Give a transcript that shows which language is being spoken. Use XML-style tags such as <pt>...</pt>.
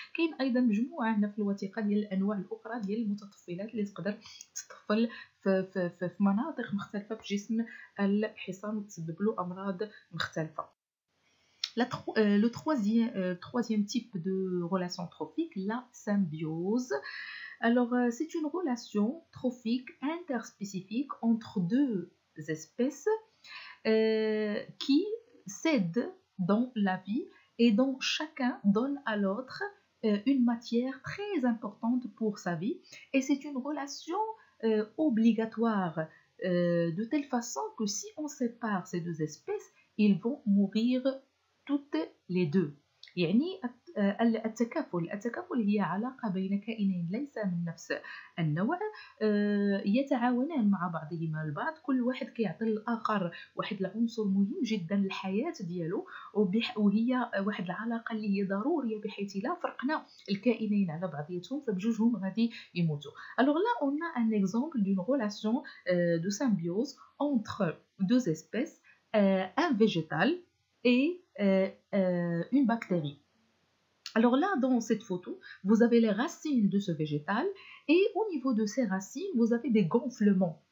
<fr>Il y a aussi une famille</fr> <ar>ثقة ديال الأنواع الأخرى ديال المتطفلات اللي تقدر تطفل في مناطق مختلفة في جسم الحصان وتسبب له أمراض مختلفة.</ar> <fr>Le troisième type de relation trophique, la symbiose. Alors c'est une relation trophique interspécifique entre deux espèces qui s'aident dans la vie et dont chacun donne à l'autre une matière très importante pour sa vie et c'est une relation obligatoire de telle façon que si on sépare ces deux espèces, ils vont mourir toutes les deux.</fr> <ar>يعني التكافل، التكافل هي علاقة بين كائنين ليس من نفس النوع يتعاونان مع بعضهما البعض، كل واحد كيعطي للآخر واحد العنصر مهم جدا للحياة ديالو، وهي واحد العلاقة اللي هي ضرورية بحيث لا فرقنا الكائنين على بعضياتهم فبجوجهم غادي يموتوا.</ar> <fr>Alors là on a un exemple d'une relation de symbiose entre deux espèces, un végétal et une bactérie. Alors là, dans cette photo, vous avez les racines de ce végétal et au niveau de ces racines, vous avez des gonflements.</fr>